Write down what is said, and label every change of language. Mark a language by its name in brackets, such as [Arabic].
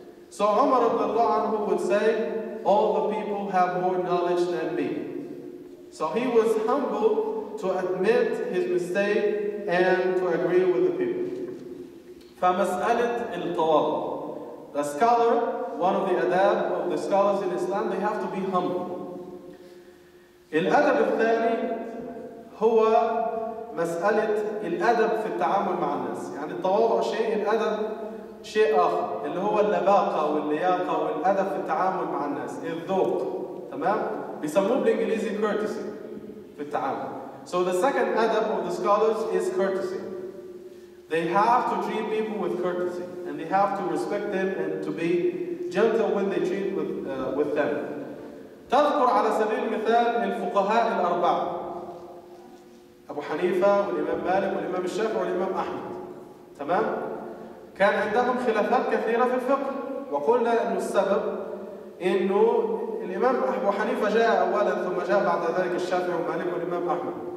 [English] So Umar radiallahu anhu would say, all the people have more knowledge than me. So he was humble to admit his mistake and to agree with the people. [Arabic] فمسألة التواضع. [English] The scholar, one of the adab of the scholars in Islam, they have to be humble. [Arabic] الأدب الثاني هو مسألة الأدب في التعامل مع الناس. يعني التواضع شيء، الأدب شيء آخر، اللي هو اللباقة واللياقة والأدب في التعامل مع الناس، الذوق، تمام؟ بيسموه بالإنجليزي courtesy في التعامل. [English] So the second adab of the scholars is courtesy. They have to treat people with courtesy and they have to respect them and to be gentle when they treat with them. [Arabic] تذكر على سبيل المثال الفقهاء الأربعة، أبو حنيفة والإمام مالك والإمام الشافعي والإمام أحمد، تمام؟ كان عندهم خلافات كثيرة في الفقه، وقلنا أن السبب أنه الإمام أبو حنيفة جاء أولا ثم جاء بعد ذلك الشافعي ومالك والإمام أحمد،